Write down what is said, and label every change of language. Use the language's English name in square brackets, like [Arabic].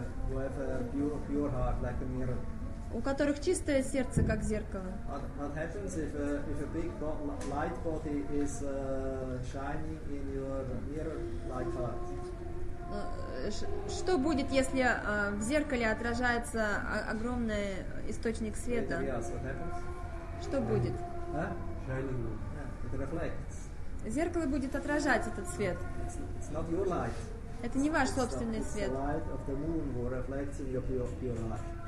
[English] Who have a pure heart, like a mirror. [Russian] У которых чистое сердце, как зеркало. [English] What happens if a big light body is shining in your mirror like heart? [Russian] Что будет, если в зеркале отражается огромный источник света? Что будет? [English] Shining. It reflects. [Russian] Зеркало будет отражать этот свет. [English] It's not your light. [Russian] Это не ваш собственный свет. [English] It's the light of the moon who reflects in your pure heart.